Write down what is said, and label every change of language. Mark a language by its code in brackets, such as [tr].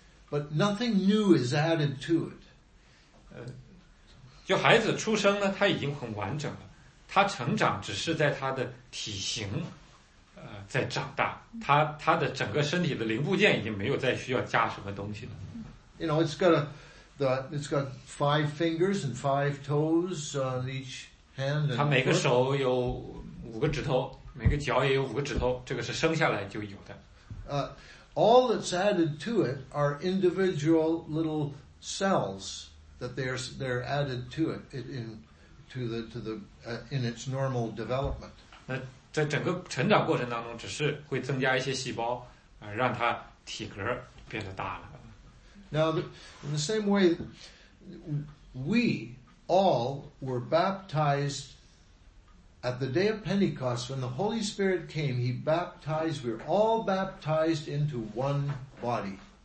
[en] But nothing new is added to it. [zh] 就孩子出生呢，他已经很完整了，他成长只是在他的体型。在长大他的整个身体的零部件已经没有再需要加什么东西了。 [en] You know, it's got five fingers and five toes on each hand. [zh] 他每个手有五个指头每个脚也有五个指头这个是生下来就有的。 [en] All that's added to it are individual little cells that they're added to it in its normal development. [zh] 在整个成长过程当中只是会增加一些细胞让它体格变得大了。 [en] Now, in the same way, we all were baptized at the day of Pentecost when the Holy Spirit came, we were all baptized into one body.